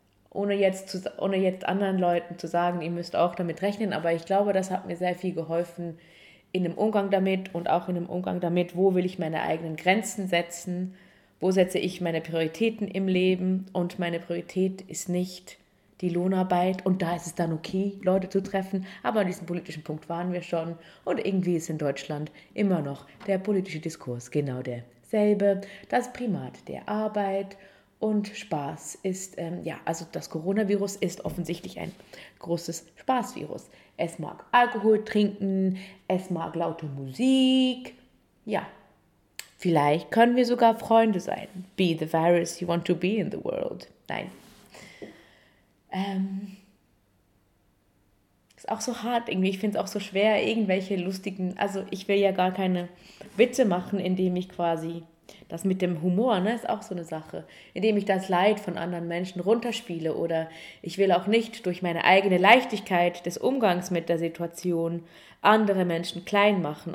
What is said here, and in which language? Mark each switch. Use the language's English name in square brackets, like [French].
[German] Ohne jetzt anderen Leuten zu sagen, ihr müsst auch damit rechnen, aber ich glaube, das hat mir sehr viel geholfen in dem Umgang damit und auch in dem Umgang damit, wo will ich meine eigenen Grenzen setzen, wo setze ich meine Prioritäten im Leben und meine Priorität ist nicht die Lohnarbeit und da ist es dann okay, Leute zu treffen, aber an diesem politischen Punkt waren wir schon und irgendwie ist in Deutschland immer noch der politische Diskurs genau derselbe, das Primat der Arbeit. Und Spaß ist, ja, also das Coronavirus ist offensichtlich ein großes Spaßvirus. Es mag Alkohol trinken, es mag laute Musik. Ja, Vielleicht können wir sogar Freunde sein. [English] Be the virus you want to be in the world. [German] Nein. Ist auch so hart irgendwie. Ich finde es auch so schwer, irgendwelche lustigen... Also ich will ja gar keine Witze machen, indem ich quasi... Das mit dem Humor, ne, ist auch so eine Sache. Indem ich das Leid von anderen Menschen runterspiele. Oder ich will auch nicht durch meine eigene Leichtigkeit des Umgangs mit der Situation andere Menschen klein machen.